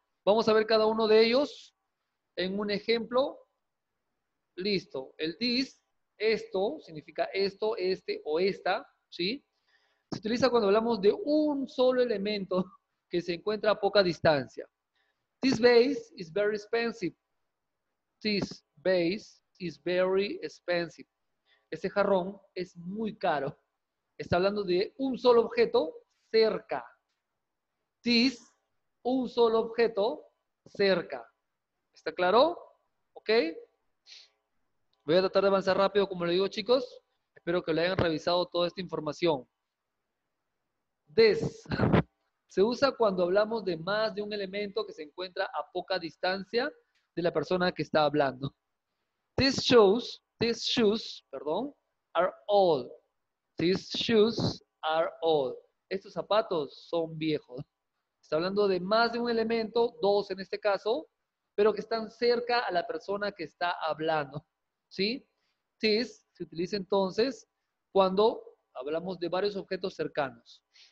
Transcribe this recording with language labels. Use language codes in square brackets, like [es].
[es] Vamos a ver cada uno de ellos en un ejemplo. Listo. El this, esto, significa esto, este o esta, ¿sí? Se utiliza cuando hablamos de un solo elemento que se encuentra a poca distancia. [en] This vase is very expensive. This vase is very expensive. [es] Ese jarrón es muy caro. Está hablando de un solo objeto cerca. This, un solo objeto cerca. ¿Está claro? ¿Ok? Voy a tratar de avanzar rápido, como le digo, chicos. Espero que le hayan revisado toda esta información. This. Se usa cuando hablamos de más de un elemento que se encuentra a poca distancia de la persona que está hablando. [en] These shoes, [es] perdón, [en] are old. These shoes are old. [es] Estos zapatos son viejos. Está hablando de más de un elemento, dos en este caso, pero que están cerca a la persona que está hablando. ¿Sí? This se utiliza entonces cuando hablamos de varios objetos cercanos.